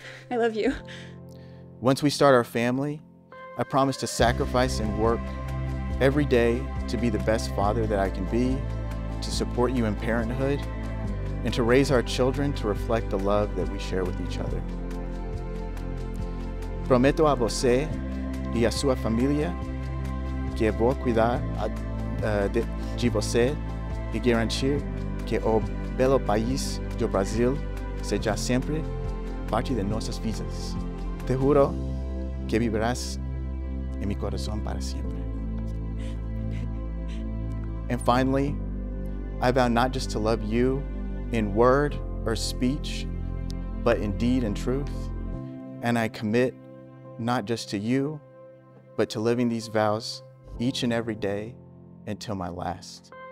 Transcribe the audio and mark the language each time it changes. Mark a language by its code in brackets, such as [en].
[en] I love you. Once we start our family, I promise to sacrifice and work every day to be the best father that I can be, to support you in parenthood, and to raise our children to reflect the love that we share with each other. [es] Prometo a vos y a su familia que voy a cuidar de vos. [pt] E garantir que o belo país do Brasil seja sempre parte de nossas vidas. [es] Te juro que vivrás [pt] em meu coração para sempre. [en] And finally, I vow not just to love you in word or speech, but in deed and truth. And I commit not just to you, but to living these vows each and every day until my last.